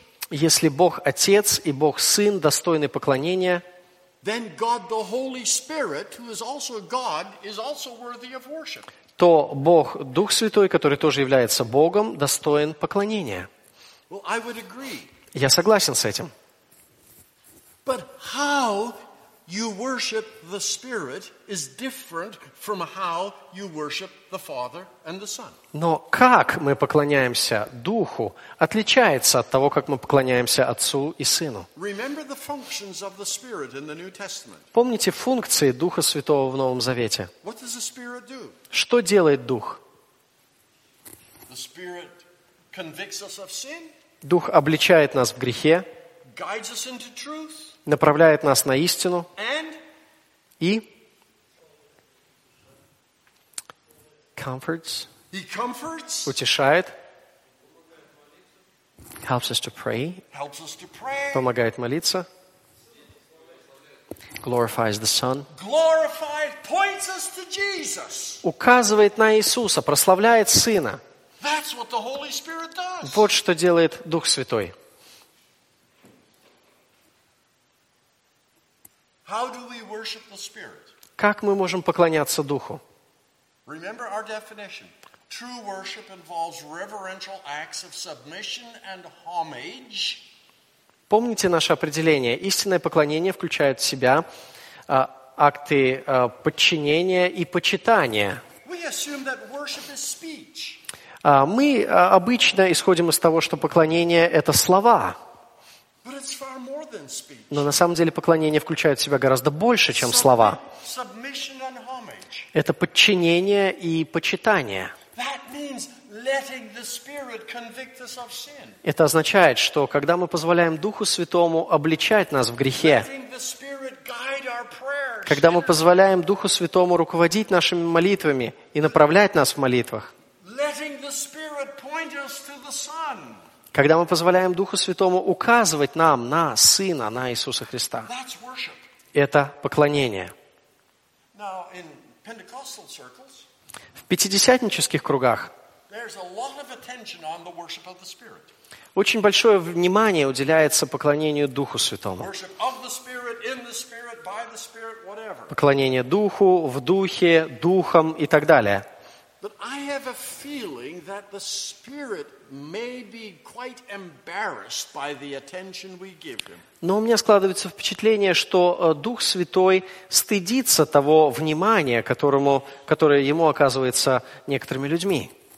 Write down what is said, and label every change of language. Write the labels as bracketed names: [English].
[Russian] Если Бог Отец и Бог Сын достойны поклонения, [English] then God the Holy Spirit, who is also God, is also worthy of worship. [Russian] То Бог Дух Святой, который тоже является Богом, достоин поклонения. [English] Well, I would agree. [Russian] Я согласен с этим. [English] But how you worship the Spirit is different from how you worship the Father and the Son. [Russian] Но как мы поклоняемся Духу отличается от того, как мы поклоняемся Отцу и Сыну. [English] Remember the functions of the Spirit in the New Testament. [Russian] Помните функции Духа Святого в Новом Завете. [English] What does the Spirit do? [Russian] Что делает Дух? [English] The Spirit convicts us of sin. [Russian] Дух обличает нас в грехе. [English] Guides us into truth. [Russian] Направляет нас на истину. [English] And [Russian] и [English] comforts, he comforts, [Russian] утешает, [English] helps us to pray, helps us to pray, [Russian] помогает молиться, [English] glorifies the Son, glorified, points us to Jesus. [Russian] Указывает на Иисуса, прославляет Сына. [English] That's what the Holy Spirit does. [Russian] Вот что делает Дух Святой. [English] How do we worship the Spirit? [Russian] Как мы можем поклоняться Духу? [English] Remember our definition. True worship involves reverential acts of submission and homage. [Russian] Помните наше определение. Истинное поклонение включает в себя акты подчинения и почитания. [English] We assume that worship is speech. [Russian] Мы обычно исходим из того, что поклонение – это слова. [English] But it's far more than speech. [Russian] Но на самом деле поклонение включает в себя гораздо больше, чем слова. [English] Submission and homage. [Russian] Это подчинение и почитание. [English] That means letting the Spirit convict us of sin. [Russian] Это означает, что когда мы позволяем Духу Святому обличать нас в грехе, [English] letting the Spirit guide our prayers, [Russian] когда мы позволяем Духу Святому руководить нашими молитвами и направлять нас в молитвах, [English] letting the Spirit point us to the Son. [Russian] Когда мы позволяем Духу Святому указывать нам на Сына, на Иисуса Христа, это поклонение. [English] Now, in Pentecostal circles, [Russian] в пятидесятнических кругах [English] a lot of attention on the worship of the Spirit. [Russian] Очень большое внимание уделяется поклонению Духу Святому. [English] Worship of the Spirit, in the Spirit, by the Spirit, whatever. [Russian] Поклонение Духу, в Духе, Духом и так далее. [English] But I have a feeling that the Spirit may be quite embarrassed by the attention we give him. [Russian] Но у меня складывается впечатление, что Дух Святой стыдится того внимания, которое ему оказывается некоторыми людьми.